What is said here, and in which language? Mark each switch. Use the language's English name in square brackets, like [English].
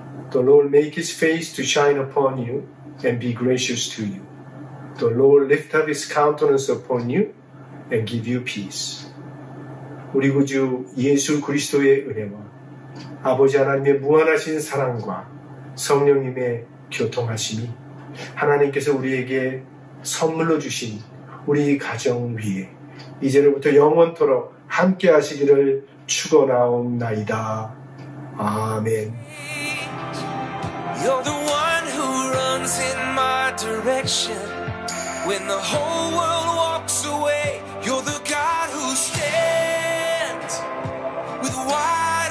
[English] The Lord make His face to shine upon you and be gracious to you. The Lord lift up His countenance upon you and give you peace. [Korean] 우리 구주 예수 그리스도의 은혜와 아버지 하나님의 무한하신 사랑과 성령님의 교통하심이 하나님께서 우리에게 선물로 주신 우리 가정 위에 이제로부터 영원토록 함께 하시기를 축원하옵나이다. 아멘. [English] You're the one who runs in my direction. When the whole world walks away, you're the God who stands with wide.